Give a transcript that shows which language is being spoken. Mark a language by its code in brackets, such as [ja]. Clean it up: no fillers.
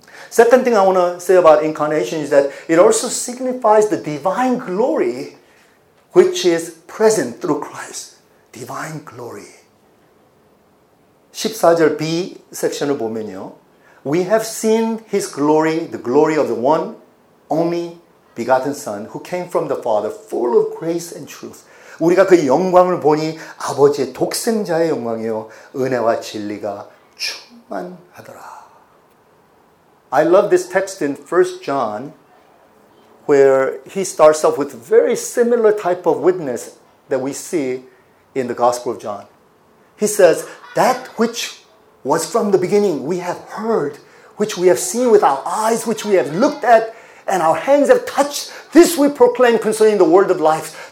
[en] Second thing I want to say about incarnation is that it also signifies the divine glory which is present through Christ. Divine glory. [ko] 14절 B 섹션을 보면요. [en] We have seen his glory, the glory of the one only begotten Son who came from the Father full of grace and truth. [ko] 우리가 그 영광을 보니 아버지의 독생자의 영광이요 은혜와 진리가 충만하더라. [en] I love this text in 1 John where he starts off with very similar type of witness that we see in the Gospel of John. He says, that which was from the beginning we have heard, which we have seen with our eyes, which we have looked at, and our hands have touched, this we proclaim concerning the word of life.